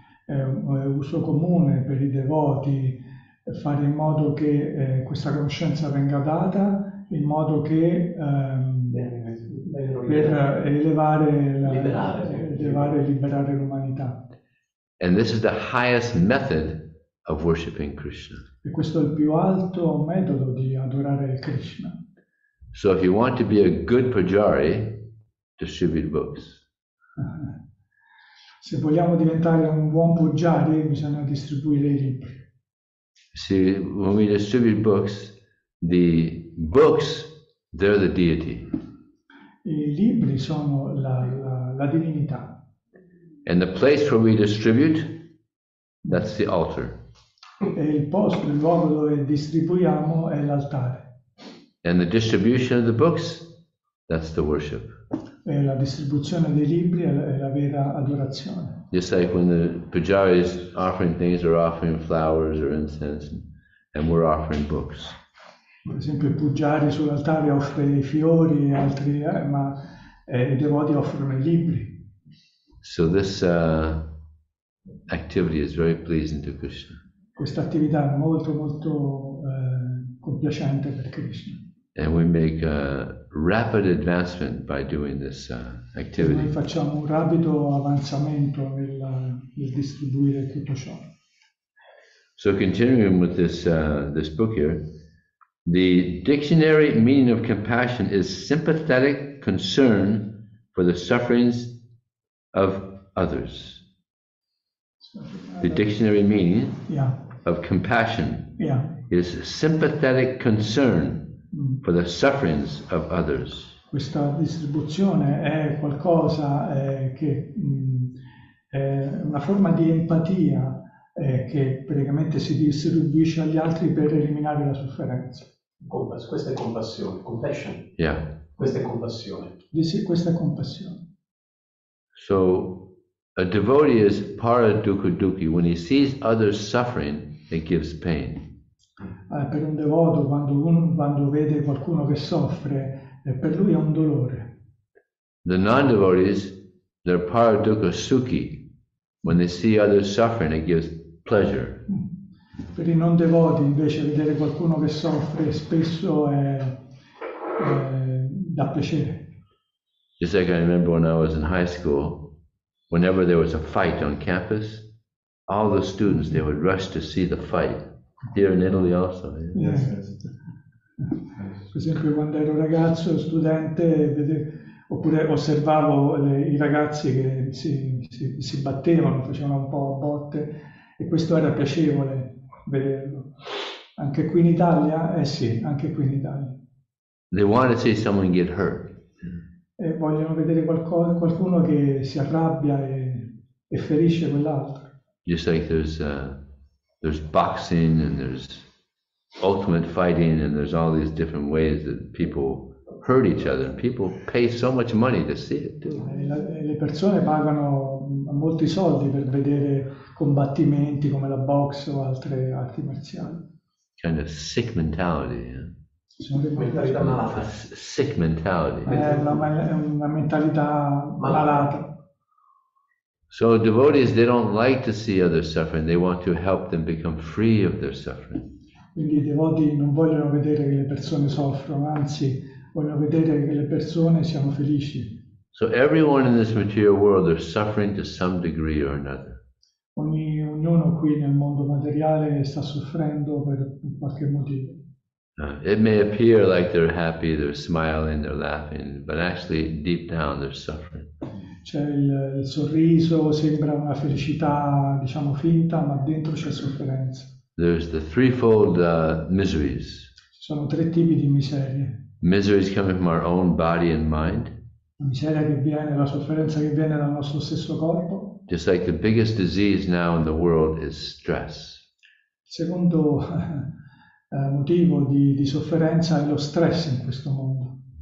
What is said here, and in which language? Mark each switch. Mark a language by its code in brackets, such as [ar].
[it] È uso comune per i devoti fare in modo che questa conoscenza venga data in modo che per elevare e liberare l'umanità. [en] And this is the highest method of worshiping Krishna. [it] E questo è il più alto metodo di adorare Krishna. [en] So if you want to be a good pujari, distribute books. [it] Se vogliamo diventare un buon pugiare, bisogna distribuire [en] See, when we distribute books, the books, they're the deity. [it] i libri. I libri sono la divinità. [en] And the place where we distribute, that's the altar. [it] Il luogo dove distribuiamo è l'altare. [en] And the distribution of the books, that's the worship. [it] La distribuzione dei libri è la vera adorazione. [en] Just like when the pujaris offering things or offering flowers or incense, and we're offering books. [it] Per esempio, il pugiare sull'altare offre i fiori e altri, ma i devoti offrono i libri. [en] So this activity is very pleasing to Krishna. [it] Questa attività è molto, molto compiacente per Krishna. [en] And we make a rapid advancement by doing this [it] Noi [en] activity. [it] facciamo un rapido avanzamento nel distribuire tutto ciò. [en] So continuing with this book here, the dictionary meaning of compassion is sympathetic concern for the sufferings of others. The dictionary meaning of compassion is sympathetic concern for the sufferings of others. [it] Questa distribuzione è qualcosa che è una forma di empatia che praticamente si distribuisce agli altri per eliminare la sofferenza. Questa è compassione, compassion. [en] Yeah. [it] Questa è compassione. Sì, questa è compassione. [en] So a devotee is para dukkha dukkhi. When he sees others suffering, it gives pain. [it] Per un devoto, quando vede qualcuno che soffre, per lui è un dolore. [en] The non-devotees, they're para dukkha sukhi. When they see others suffering, it gives pleasure. [it] Per i non devoti, invece, vedere qualcuno che soffre spesso dà piacere. [en] Just like I remember when I was in high school, whenever there was a fight on campus, all the students, they would rush to see the fight. Here in Italy also, yeah. [it] Esempio, quando ero ragazzo, studente, oppure osservavo i ragazzi che si battevano, facevano un po' a botte. E questo era piacevole vederlo. Anche qui in Italia? Eh sì, anche qui in Italia. [en] They want to see someone get hurt. [it] E vogliono vedere qualcuno che si arrabbia e ferisce quell'altro. [en] Just like there's boxing and there's ultimate fighting and there's all these different ways that people hurt each other. People pay so much money to see it too. [it] Le persone pagano molti soldi per vedere combattimenti come la boxe o altre arti marziali. [en] Kind of sick mentality, [it] Sono delle mentalità a malata. [en] sick mentality. [it] È una mentalità Malata. malata. [en] So devotees, they don't like to see others suffering. They want to help them become free of their suffering. [it] Quindi i devoti non vogliono vedere che le persone soffrono, anzi vogliono vedere che le persone siano felici. [en] So everyone in this material world, they're suffering to some degree or another. [it] Ognuno qui nel mondo materiale sta soffrendo per qualche motivo. [en] It may appear like they're happy, they're smiling, they're laughing, but actually deep down they're suffering. [it] C'è il sorriso, sembra una felicità, diciamo, finta, ma dentro c'è sofferenza. [en] There's the threefold miseries. [it] Ci sono tre tipi di miserie. [en] Miseries coming from our own body and mind. [it] La miseria che viene, la sofferenza che viene dal nostro stesso corpo. [en] Just like the biggest disease now in the world is stress. [it] Secondo motivo di sofferenza è lo stress in questo mondo.